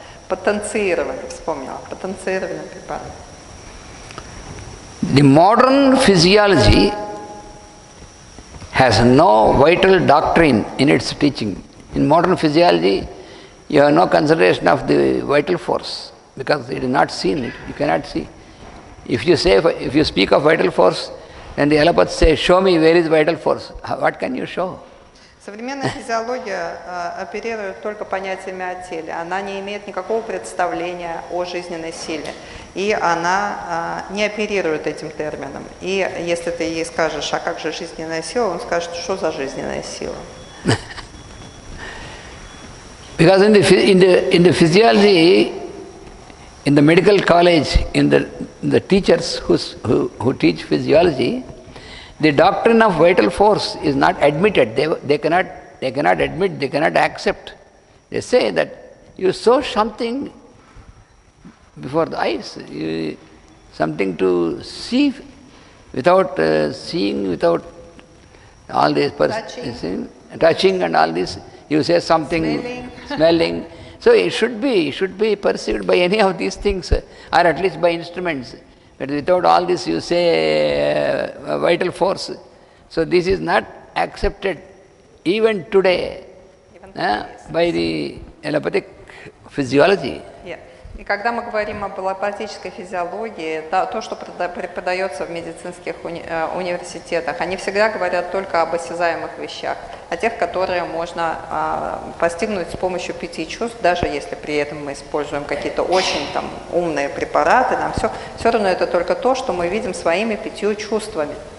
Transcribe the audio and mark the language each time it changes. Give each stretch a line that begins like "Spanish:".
Russian: Потенцированный препарат.
English: The modern physiology has no vital doctrine in its teaching. In modern physiology, you have no consideration of the vital force because it is not seen. You cannot see. If you speak of vital force, then the allopath say, "Show me where is vital force." What can you show?
Russian: Современная физиология оперирует только понятиями о теле. Она не имеет никакого представления о жизненной силе. И она не оперирует этим термином. И если ты ей скажешь, а как же жизненная сила, он скажет, что за жизненная сила.
English: Because in the physiology, in the medical college, in the teachers who teach physiology, the doctrine of vital force is not admitted. They cannot admit, they cannot accept. They say that you saw something before the eyes, something to see without seeing, without all these touching and all this. You say something, smelling. So it should be perceived by any of these things, or at least by instruments. But without all this, you say vital force. So this is not accepted even today by the allopathic physiology.
Russian: И когда мы говорим об аллопатической физиологии, то, что преподается в медицинских университетах, они всегда говорят только об осязаемых вещах, о тех, которые можно постигнуть с помощью пяти чувств, даже если при этом мы используем какие-то очень там умные препараты, там все равно это только то, что мы видим своими пятью чувствами.